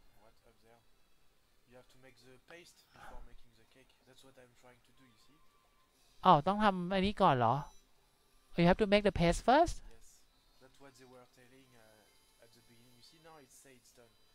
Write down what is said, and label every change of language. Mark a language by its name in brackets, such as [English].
[English] What up there You have to make the paste before making the cake That's what I'm trying to do you see [Thai] อ้าวต้องทำอันนี้ก่อนเหรอ [English] You have to make the paste first Yes That's what they were telling at the beginning you see now it says it's done